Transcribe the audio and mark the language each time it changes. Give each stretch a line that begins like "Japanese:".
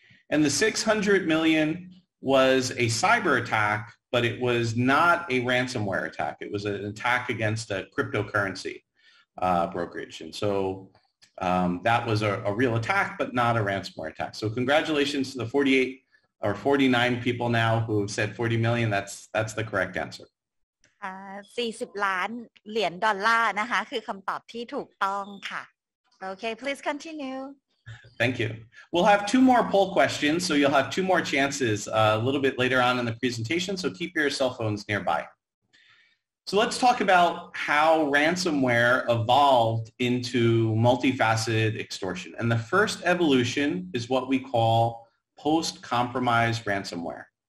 English: And the $600 million was a cyber attack, but it was not a ransomware attack. It was an attack against a cryptocurrency brokerage. And so that was a real attack, but not a ransomware attack. So congratulations to the 48 or 49 people now who have said 40 million. That's the correct answer.
Thai: 40 ล้านเหรียญดอลลาร์นะคะคือคำตอบที่ถูกต้องค่ะ
English: Okay, please continue. Thank you. We'll have two more poll questions, so you'll have two more chances a little bit later on in the presentation, so keep your cell phones nearby. So let's talk about how ransomware evolved into multifaceted extortion. And the first evolution is what we call post-compromise ransomware.